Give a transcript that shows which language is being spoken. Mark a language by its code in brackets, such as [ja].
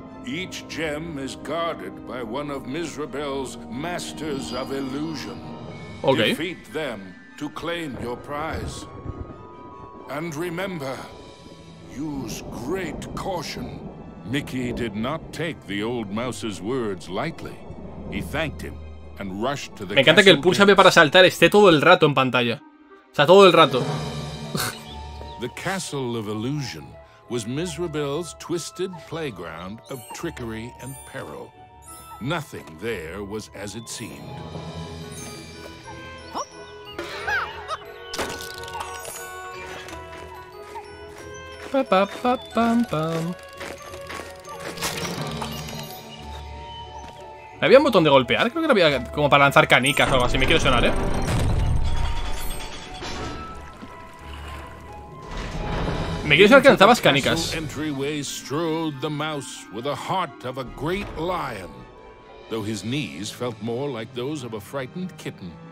[en] Each gem is guarded by one of Mizrabel's masters of illusion. Okay. Defeat them to claim your prize. And remember, use great caution. Mickey did not take the old mouse's words lightly. He thanked him and rushed to the. [es] Me encanta que el pulsame para saltar esté todo el rato en pantalla. O sea, todo el rato. [en] The castle of illusion was Mizrabel's twisted playground of trickery and peril. Nothing there was as it seemed. Pa pa pa pam pam. [es] ¿Había un botón de golpear? Creo que había como para lanzar canicas o algo así. Me quiero sonar, Me quiero sonar que lanzabas canicas. [en] Entryway strode the mouse with the heart of a great lion, though his knees felt more like those of a frightened kitten.